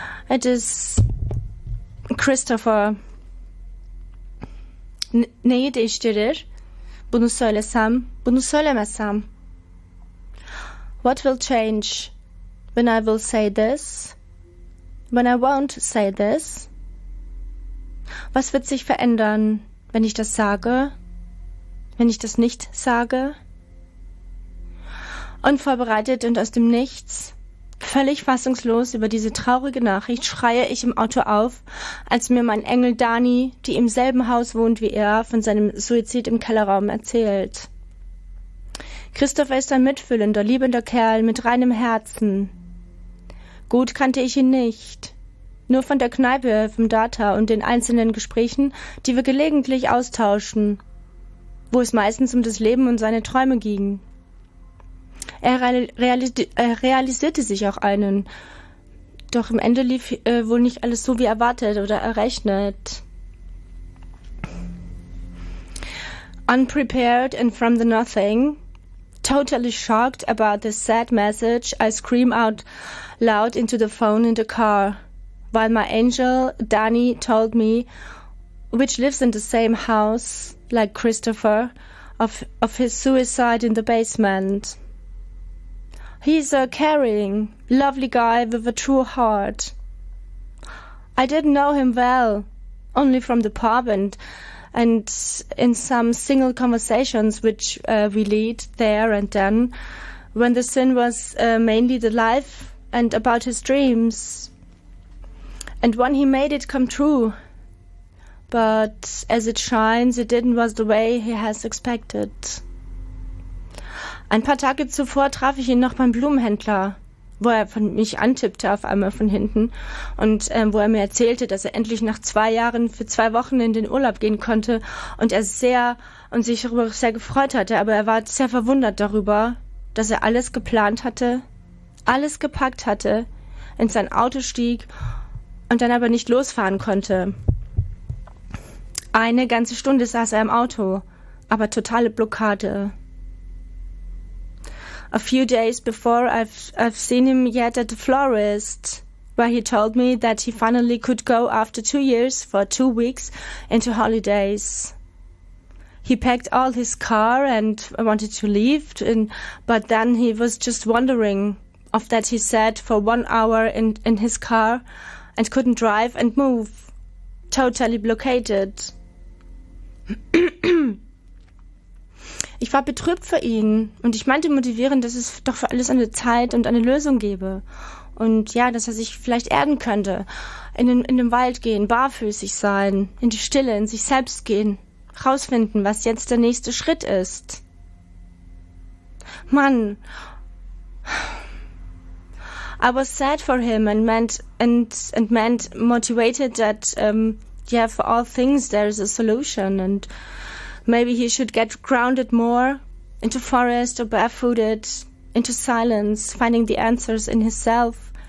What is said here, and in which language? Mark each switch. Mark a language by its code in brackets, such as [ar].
[en] It is Christopher. [tr] Neyi değiştirir? Bunu söylesem, bunu söylemesem. [en] What will change when I will say this, when I won't say this? [de] Was wird sich verändern, wenn ich das sage, wenn ich das nicht sage? Unvorbereitet und aus dem Nichts, völlig fassungslos über diese traurige Nachricht, schreie ich im Auto auf, als mir mein Engel Dani, die im selben Haus wohnt wie er, von seinem Suizid im Kellerraum erzählt. Christopher ist ein mitfühlender, liebender Kerl mit reinem Herzen. Gut kannte ich ihn nicht. Nur von der Kneipe, vom Data und den einzelnen Gesprächen, die wir gelegentlich austauschen, wo es meistens um das Leben und seine Träume ging. Er realisierte sich auch einen. Doch am Ende lief wohl nicht alles so wie erwartet oder errechnet. [en] Unprepared and from the nothing, totally shocked about this sad message, I scream out loud into the phone in the car, while my angel, Dani, told me, which lives in the same house, like Christopher, of his suicide in the basement. He's a caring, lovely guy with a true heart. I didn't know him well, only from the pub and in some single conversations which we lead there and then, when the scene was mainly the life and about his dreams. And when he made it come true, but as it shines, it didn't was the way he has expected. [de] Ein paar Tage zuvor traf ich ihn noch beim Blumenhändler, wo er von mich antippte auf einmal von hinten und wo er mir erzählte, dass er endlich nach 2 Jahren für 2 Wochen in den Urlaub gehen konnte und er sehr und sich darüber sehr gefreut hatte, aber er war sehr verwundert darüber, dass er alles geplant hatte, alles gepackt hatte, in sein Auto stieg und dann aber nicht losfahren konnte. Eine ganze Stunde saß er im Auto, aber totale Blockade. [en] A few days before, I've seen him yet at the florist, where he told me that he finally could go after 2 years for 2 weeks into holidays. He packed all his car and wanted to leave, but then he was just wondering of that he sat for 1 hour in his car and couldn't drive and move, totally blockaded. [de] Ich war betrübt für ihn und ich meinte motivierend, dass es doch für alles eine Zeit und eine Lösung gebe. Und ja, dass er sich vielleicht erden könnte, in den Wald gehen, barfüßig sein, in die Stille, in sich selbst gehen, rausfinden, was jetzt der nächste Schritt ist. [en] Mann, I was sad for him and meant motivated that, yeah, for all things there is a solution and maybe he should get grounded more into forest or barefooted, into silence, finding the answers in himself.